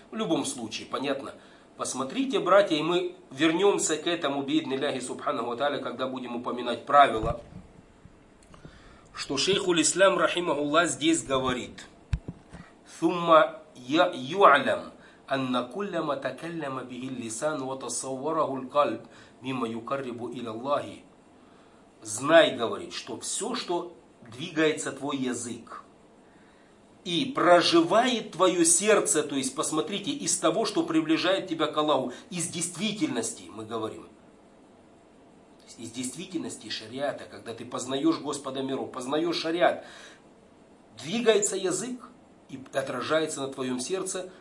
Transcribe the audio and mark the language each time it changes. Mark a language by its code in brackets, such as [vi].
[ru] В любом случае, понятно. Посмотрите, братья, и мы вернемся к этому, [ar] бидни ляхи субханаху ва тааля, [ru] когда будем упоминать правила, что шейху ль-Ислам, рахимахулла, здесь говорит, [ar] «Сумма юалям». أن كل ما تكلم به اللسان وتصوره القلب مما يقرب إلى الله. [ru] Знай, говорит, что все, что двигается твой язык и проживает твое сердце, то есть посмотрите, из того, что приближает тебя к Аллаху, из действительности, мы говорим, из действительности шариата, когда ты познаешь Господа миров, познаешь шариат, двигается язык и отражается на твоем сердце.